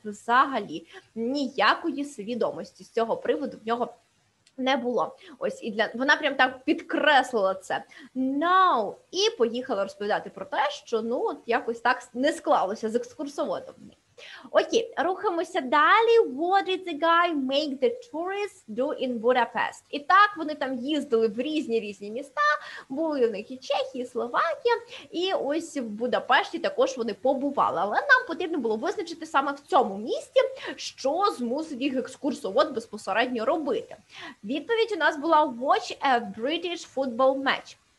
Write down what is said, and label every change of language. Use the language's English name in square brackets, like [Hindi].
[Ukrainian] Взагалі, ніякої свідомості з цього приводу в нього не було. Ось, і для вона прям так підкреслила це. [English] No. [Ukrainian] І поїхала розповідати про те, що, ну, от якось так не склалося з екскурсоводом. Окей, рухаємося далі. [English] What did the guy make the tourists do in Budapest? [Ukrainian] І так вони там їздили в різні-різні міста, були у них і Чехія, і Словакія, і ось в Будапешті також вони побували. Але нам потрібно було визначити саме в цьому місті, що змусив їх екскурсовод безпосередньо робити. Відповідь у нас була [English] «Watch a British football match».